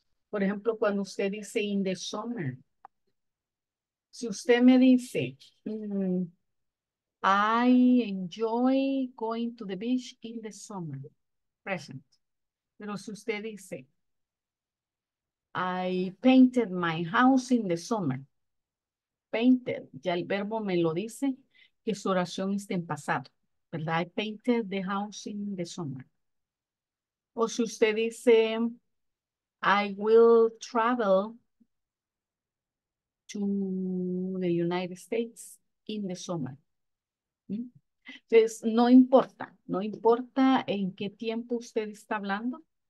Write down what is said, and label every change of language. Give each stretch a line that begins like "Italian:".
Spanish: Por ejemplo, cuando usted dice
English: in the summer,
Spanish: si usted me dice,
English: I enjoy going to the beach in the summer, present.
Spanish: Pero si usted dice,
English: I painted my house in the summer.
Spanish: Painted, ya el verbo me lo dice que su oración está en pasado, ¿verdad?
English: I painted the house in the summer.
Spanish: O si usted dice,
English: I will travel to the United States in the summer.
Spanish: Entonces, no importa en qué tiempo usted está hablando.